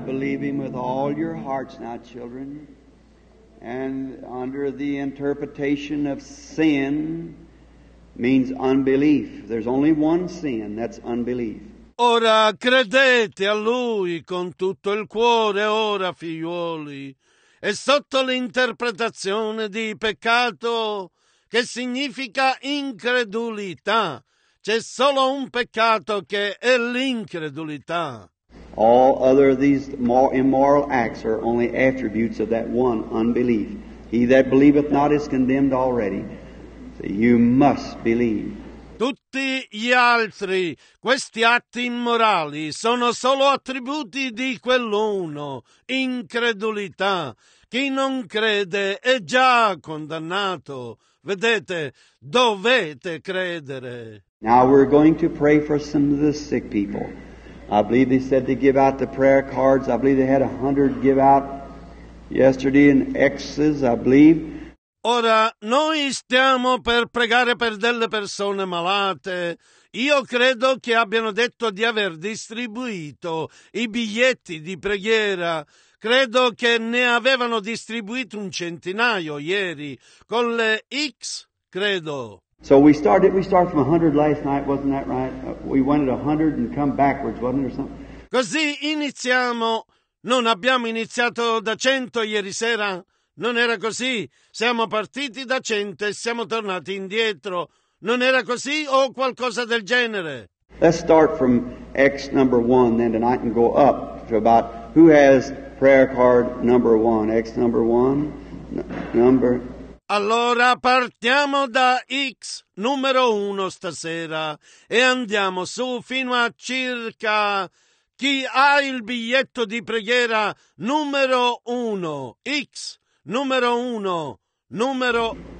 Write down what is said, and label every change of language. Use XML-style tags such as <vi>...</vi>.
<en>believe him with all your hearts now, children. And under the interpretation of sin means unbelief. There's only one sin, that's unbelief.</en> <it>Ora credete a lui con tutto il cuore, ora figliuoli, e sotto l'interpretazione di peccato, che significa incredulità, c'è solo un peccato che è l'incredulità.</it> <en>All other of these immoral acts are only attributes of that one unbelief. He that believeth not is condemned already. So you must believe.</en> <it>Tutti gli altri, questi atti immorali, sono solo attributi di quell'uno, incredulità. Chi non crede è già condannato. Vedete, dovete credere.</it> <en>Now we're going to pray for some of the sick people. I believe they said they give out the prayer cards. I believe they had 100 give out yesterday in X's, I believe.</en> <it>Ora, noi stiamo per pregare per delle persone malate. Io credo che abbiano detto di aver distribuito i biglietti di preghiera. Credo che ne avevano distribuito un centinaio ieri, con le X, credo.</it> <en>So we started from 100 last night, wasn't that right? We went at 100 and come backwards, wasn't it, or something?</en> <it>Così iniziamo. Non abbiamo iniziato da 100 ieri sera? Non era così. Siamo partiti da 100 e siamo tornati indietro. Non era così o qualcosa del genere?</it> <en>Let's start from X number 1 then tonight and go up to about who has prayer card number 1, X number 1, number...</en> <it>Allora partiamo da X numero 1 stasera e andiamo su fino a circa chi ha il biglietto di preghiera numero 1, X numero 1, numero...</it>